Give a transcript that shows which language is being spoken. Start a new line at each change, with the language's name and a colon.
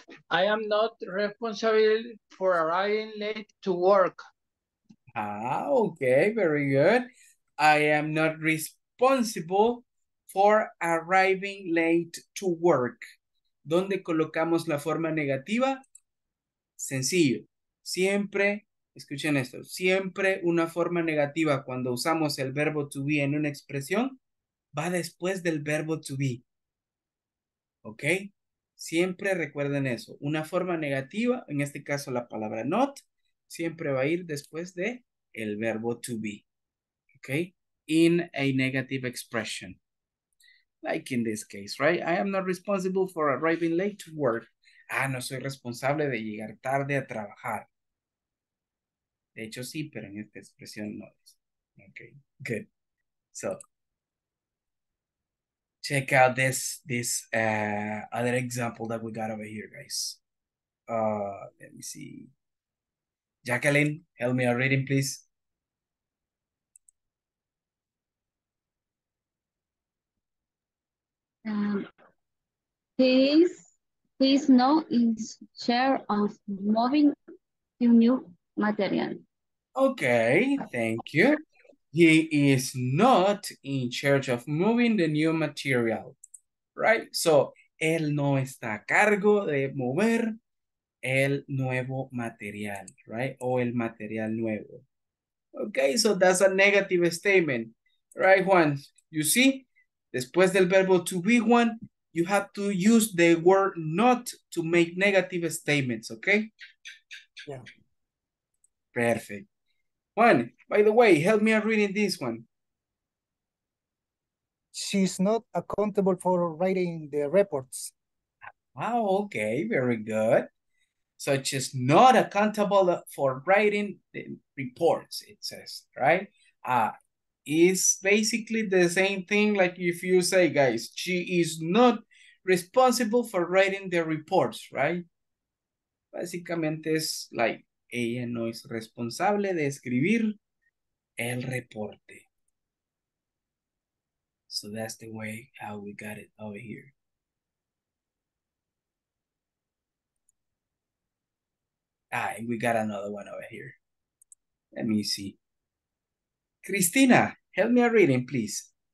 English: I am not responsible for arriving late to work. Okay, very good. I am not responsible for arriving late to work.
Spanish: ¿Dónde colocamos la forma negativa? Sencillo. Siempre, escuchen esto, siempre una forma negativa cuando usamos el verbo to be en una expresión va después del verbo to be. ¿Ok? Siempre recuerden eso. Una forma negativa, en este caso la palabra not, siempre va a ir después de el verbo to be. ¿Ok?
English: In a negative expression. Like in this case, right? I am not responsible for arriving late to work.
Spanish: No soy responsable de llegar tarde a trabajar. De hecho, sí, pero en esta expresión no es.
English: Okay, good. So, check out this other example that we got over here, guys. Let me see. Jacqueline, help me out reading, please. Um, He's now in charge of moving to new material. Okay, thank you. He is not in charge of moving the new material, right?
Spanish: So, él no está a cargo de mover el nuevo material, right? O el material nuevo.
English: Okay, so that's a negative statement, right, Juan? You see,
Spanish: después del verbo
English: to be, Juan, you have to use the word not to make negative statements, okay? Yeah. Perfect. Juan, by the way, help me out reading this one. She's not accountable for writing the reports. Wow, okay, very good. So she's not accountable for writing the reports, it says, right? It's basically the same thing like if you say, guys, she is not responsible for writing the reports, right?
Spanish: Básicamente es like, ella no es responsable de escribir el reporte.
English: So that's the way how we got it over here. Ah, and we got another one over here. Let me see. Cristina, help me a reading, please.